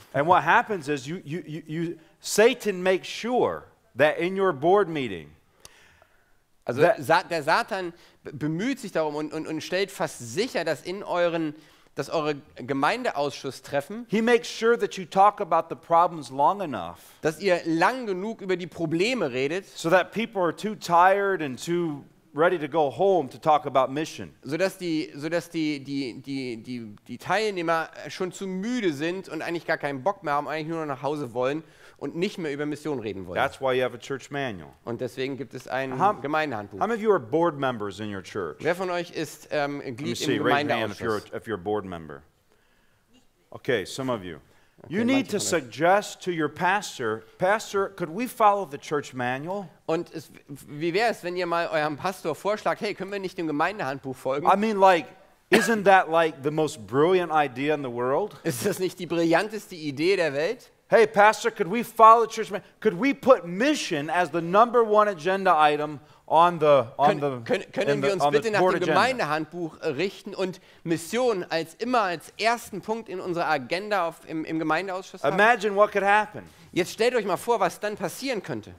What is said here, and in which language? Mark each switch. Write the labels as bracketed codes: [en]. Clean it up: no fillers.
[en] And what happens is you Satan makes sure that in your board meeting. [de] Also der Satan bemüht sich darum und stellt fast sicher, dass in euren dass eure Gemeindeausschuss treffen. [en] He makes sure that you talk about the problems long enough. [de] Dass ihr lang genug über die Probleme redet. [en] So that people are too tired and too ready to go home to talk about mission. [de] So dass die Teilnehmer schon zu müde sind und eigentlich gar keinen Bock mehr haben, eigentlich nur noch nach Hause wollen und nicht mehr über Mission reden wollen. [en] That's why you have a church manual. [de] Und deswegen gibt es ein Gemeindehandbuch. [en] How many of you are board members in your church? [de] Wer von euch ist Glied im [en] Gemeindeausschuss? If you're a board member. Okay, some of you. Okay, you need to suggest to your pastor, could we follow the church manual? [de] Und es, wie wäre es, wenn ihr mal eurem Pastor vorschlagt, hey, können wir nicht dem Gemeindehandbuch folgen? [en] I mean, like, isn't that like the most brilliant idea in the world? [de] Ist das nicht die brillanteste Idee der Welt? [en] Hey, pastor, could we follow the church manual? Could we put mission as the number one agenda item on the [de] Können wir uns bitte nach dem Gemeindehandbuch richten und Mission als immer als ersten Punkt in unserer Agenda im Gemeindeausschuss haben? [en] Imagine what could happen. [de] Jetzt stellt euch mal vor, was dann passieren könnte.